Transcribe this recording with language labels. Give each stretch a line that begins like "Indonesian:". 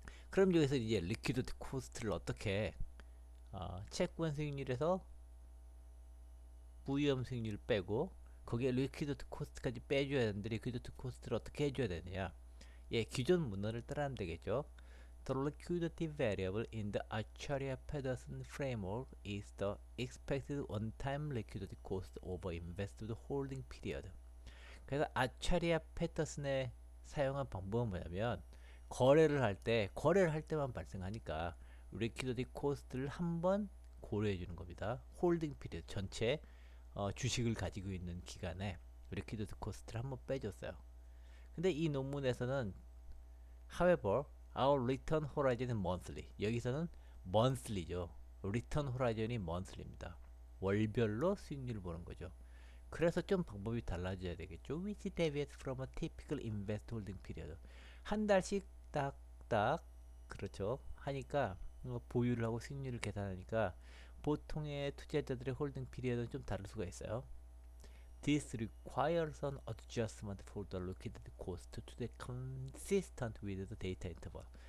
Korean: 그럼 여기서 이제 liquidity cost를 어떻게 채권 수익률에서 무위험 수익률을 빼고 거기에 리퀴드드 코스트까지 빼줘야 되는데 리퀴드드 코스트를 어떻게 해줘야 되느냐? 예, 기존 문헌을 따라하면 되겠죠.
English: The liquidity variable in the Acharya-Patterson framework is the expected one-time liquidity cost over invested holding period.
Korean: 그래서 아차리아-패터슨의 사용한 방법은 뭐냐면 거래를 할 때만 발생하니까 리퀴드드 코스트를 한번 고려해 주는 겁니다. holding period 전체 주식을 가지고 있는 기간에 리퀴드드 코스트를 한번 빼줬어요. 근데 이 논문에서는
English: However, our return horizon is monthly.
Korean: 여기서는 monthly죠. return horizon이 monthly입니다. 월별로 수익률을 보는 거죠. 그래서 좀 방법이 달라져야 되겠죠.
English: Which deviates from a typical invest holding period.
Korean: 한 달씩 딱딱 그렇죠. 하니까 보유를 하고 수익률을 계산하니까 보통의 투자자들의 홀딩 피리어드는 좀 다를 수가 있어요.
English: This requires an adjustment for the liquidity cost to the consistent with the data interval.